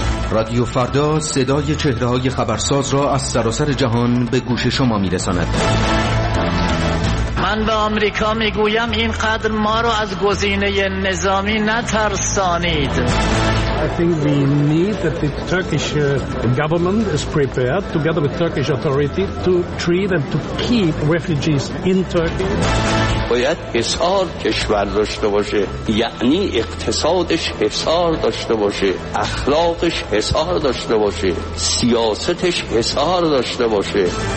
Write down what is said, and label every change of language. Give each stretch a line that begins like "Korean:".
Persian: رادیو فردا صدای چهره‌های خبرساز را از سراسر جهان به گوش شما می‌رساند. من به آمریکا می‌گویم اینقدر ما را از گزینه نظامی نترسانید.
English: I think we need that the Turkish government is prepared together with Turkish authority to treat and to keep refugees in Turkey.
Persian: باید حصار کشور داشته باشه، یعنی اقتصادش حصار داشته باشه، اخلاقش حصار داشته باشه، سیاستش حصار داشته باشه.